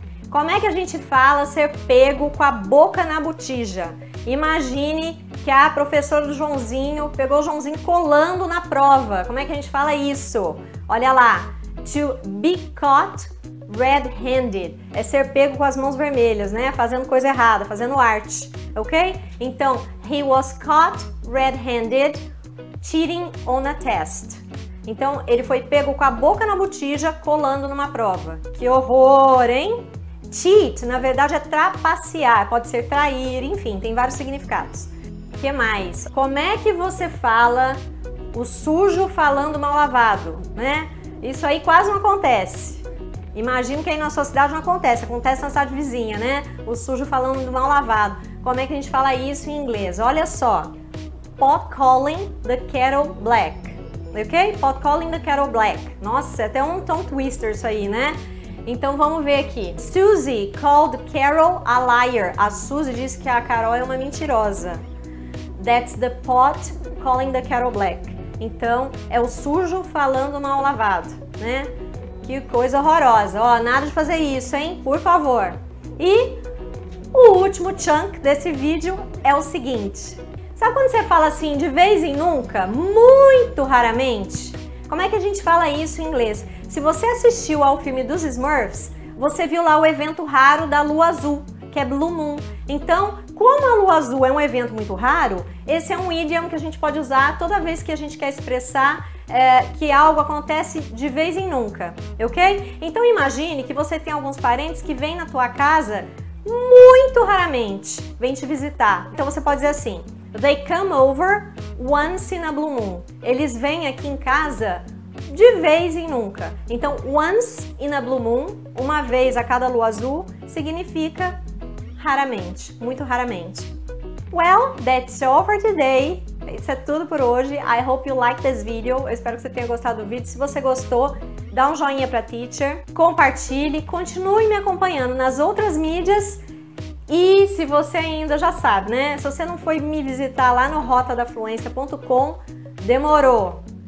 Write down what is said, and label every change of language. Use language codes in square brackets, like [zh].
[pt] Como é que a gente fala ser pego com a boca na botija? Imagine que a professora do Joãozinho pegou o Joãozinho colando na prova. Como é que a gente fala isso? Olha lá. [en] To be caught red-handed. [pt] É ser pego com as mãos vermelhas, né? Fazendo coisa errada, fazendo arte. Ok? [en] Então, he was caught red-handed cheating on a test. [pt] Então, ele foi pego com a boca na botija colando numa prova. Que horror, hein? Cheat, na verdade, é trapacear, pode ser trair, enfim, tem vários significados. O que mais? Como é que você fala o sujo falando mal lavado, né? Isso aí quase não acontece. Imagino que aí na sua cidade não acontece, acontece na cidade vizinha, né? O sujo falando mal lavado. Como é que a gente fala isso em inglês? Olha só. [en] Pot calling the kettle black. Ok? Pot calling the kettle black. [pt] Nossa, é até um [en] tongue twister [pt] isso aí, né? Então vamos ver aqui. [en] Suzy called Carol a liar. [pt] A Suzy disse que a Carol é uma mentirosa. [en] That's the pot calling the kettle black. [pt] Então é o sujo falando mal lavado, né? Que coisa horrorosa. Ó, nada de fazer isso, hein? Por favor. E o último chunk desse vídeo é o seguinte. Sabe quando você fala assim de vez em nunca? Muito raramente? Como é que a gente fala isso em inglês? Se você assistiu ao filme dos Smurfs, você viu lá o evento raro da lua azul, que é Blue Moon. Então, como a lua azul é um evento muito raro, esse é um idiom que a gente pode usar toda vez que a gente quer expressar que algo acontece de vez em nunca, ok? Então, imagine que você tem alguns parentes que vêm na tua casa muito raramente, vêm te visitar. Então, você pode dizer assim, [en] they come over once in a blue moon. [pt] Eles vêm aqui em casa de vez em nunca. Então, [en] once in a blue moon, [pt] uma vez a cada lua azul, significa raramente, muito raramente. [en] Well, that's all for today. [pt] Isso é tudo por hoje. [en] I hope you like this video. [pt] Eu espero que você tenha gostado do vídeo. Se você gostou, dá um joinha pra teacher, compartilhe, continue me acompanhando nas outras mídias. E se você ainda já sabe, né? Se você não foi me visitar lá no rotadafluência.com, demorou.